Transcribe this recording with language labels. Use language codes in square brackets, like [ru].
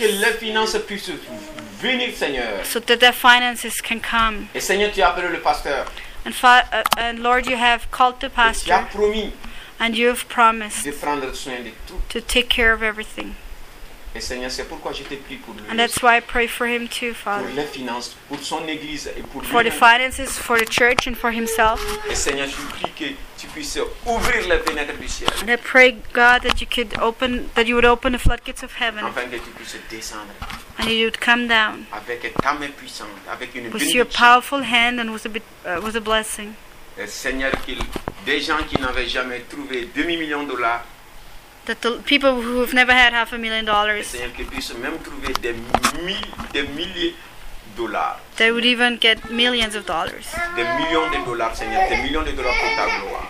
[fr] Enfin, que les finances puissent venir, Seigneur. [en] So that their finances can come. [fr] Et Seigneur, tu as appelé le pasteur. [en] And Lord, you have called the pastor. [fr] Et tu as promis. [en] And you have promised. [fr] De prendre soin de tout. [en] To take care of everything. [fr] Et Seigneur, c'est pourquoi je te prie pour lui. [en] And that's why I pray for him too, Father. [fr] Pour les finances, pour son église et pour lui. [en] For the finances, for the church, and for himself. [fr] Et Seigneur, je prie que tu puisses ouvrir les fenêtres du ciel. [en] And I pray, God, that you could open, that you would open the floodgates of heaven. [fr] Afin que tu puisses descendre. [en] And you would come down. [fr] Avec ta main puissante, avec une bénédiction. [en] With your powerful hand and with a blessing. [fr] Et Seigneur, qu'il des gens qui n'avaient jamais trouvé $500,000. [en] That the people who've never had $500,000. [fr] Seigneur, qu'ils puissent même trouver des milliers de dollars. [en] They would even get millions of dollars. [fr] Des millions de dollars, Seigneur, pour ta gloire.